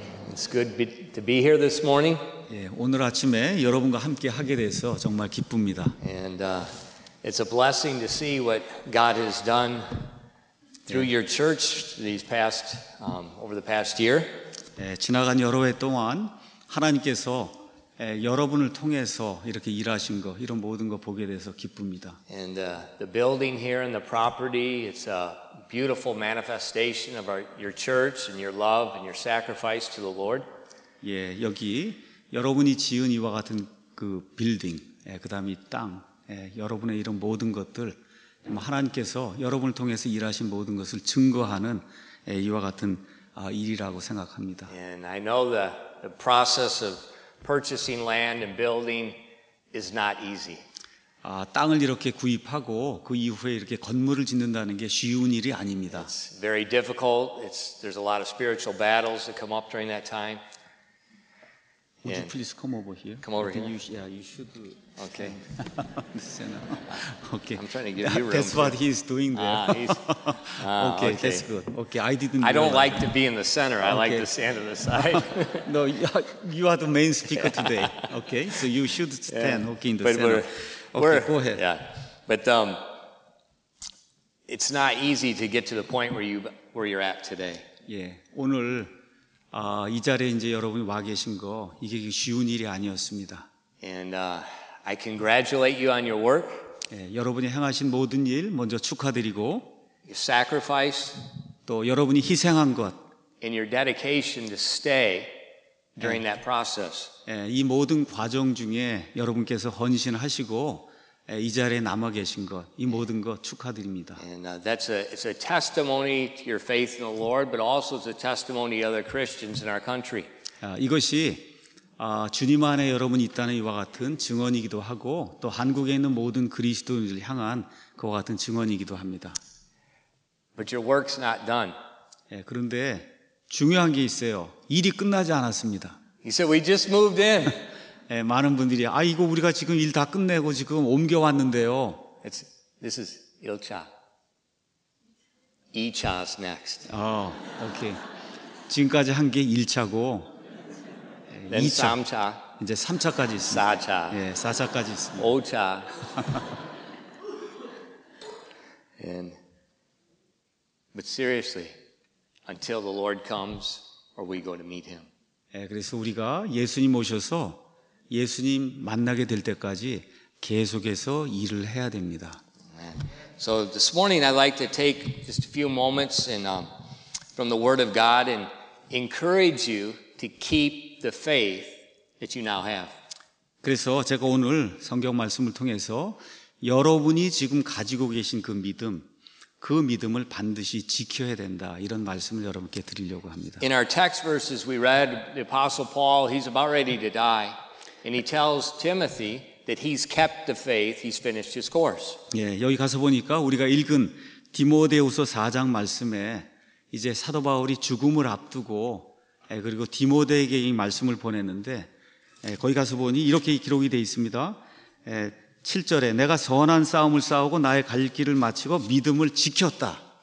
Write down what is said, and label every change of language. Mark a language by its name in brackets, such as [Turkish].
[English] It's good to be here this morning. [Korean] 예, 오늘 아침에 여러분과 함께 하게 돼서 정말 기쁩니다. [English] And it's a blessing to see what God has done through your church these past over the past year. [Korean] 예, 지나간 여러 해 동안 하나님께서 여러분을 통해서 이렇게 일하신 거 이런 모든 거 보게 돼서 기쁩니다. [English] And the building here and the property, it's a beautiful manifestation of your church and your love and your sacrifice to the Lord. [Korean] 예, 여기 여러분이 지은 이와 같은 그 빌딩, 예, 그다음에 땅, 예, 여러분의 이런 모든 것들 하나님께서 여러분을 통해서 일하신 모든 것을 증거하는 이와 같은 일이라고 생각합니다. [English] And I know the process of purchasing land and building is not easy. [Korean] 아, 땅을 이렇게 구입하고 그 이후에 이렇게 건물을 짓는다는 게 쉬운 일이 아닙니다. [English] It's very difficult. There's a lot of spiritual battles that come up during that time. Would you please come over here? Come over here. You should. Okay. Listen. Okay. I'm trying to give you room. That's what he's doing there. Okay, that's good. Okay, I didn't. I don't like to be in the center. I like to stand to the side. No, you are the main speaker today. Okay, so you should stand. Okay, in the center. Go ahead. Yeah, but it's not easy to get to the point where you're at today. [Korean] Yeah, 오늘 이 자리에 이제 여러분이 와 계신 거 이게 쉬운 일이 아니었습니다. [English] And I congratulate you on your work. [Korean] 예, 여러분이 행하신 모든 일 먼저 축하드리고. [English] Your sacrifice. [Korean] 또 여러분이 희생한 것. [English] And your dedication to stay during that process. [Korean] 예, 이 모든 과정 중에 여러분께서 헌신하시고 이 자리에 남아 계신 것, 이 모든 것 축하드립니다. [English] And it's a testimony to your faith in the Lord, but also it's a testimony to other Christians in our country. [Korean] 이것이 주님 안에 여러분이 있다는 이와 같은 증언이기도 하고 또 한국에 있는 모든 그리스도인들을 향한 그와 같은 증언이기도 합니다. [English] But your work's not done. [Korean] 예, 그런데 중요한 게 있어요. 일이 끝나지 않았습니다. [English] He said, "We just moved in." [Korean] 예, 많은 분들이 아 이거 우리가 지금 일 다 끝내고 지금 옮겨 왔는데요. [English] This is 1차. 2차 is next. [Korean] 아, 오케이. 지금까지 한 게 1차고 [English] Then 2차. 3차. [Korean] 이제 3차까지 있습니다. 4차. 예, 4차까지 있습니다. 5차. [English] And but seriously, until the Lord comes or we go to meet him. [Korean] 예, 그래서 우리가 예수님 오셔서 예수님 만나게 될 때까지 계속해서 일을 해야 됩니다. [English] So this morning I'd like to take just a few moments and from the Word of God and encourage you to keep the faith that you now have. [Korean] 그래서 제가 오늘 성경 말씀을 통해서 여러분이 지금 가지고 계신 그 믿음을 반드시 지켜야 된다 이런 말씀을 여러분께 드리려고 합니다. [English] In our text verses we read the Apostle Paul, he's about ready to die. And he tells Timothy that he's kept the faith. He's finished his course. [Korean] 예, 여기 가서 보니까 우리가 읽은 디모데후서 4장 말씀에 이제 사도 바울이 죽음을 앞두고 그리고 디모데에게 이 말씀을 보냈는데 거기 가서 보니 이렇게 기록이 돼 있습니다. 7절에 내가 선한 싸움을 싸우고 나의 갈 길을 마치고 믿음을 지켰다.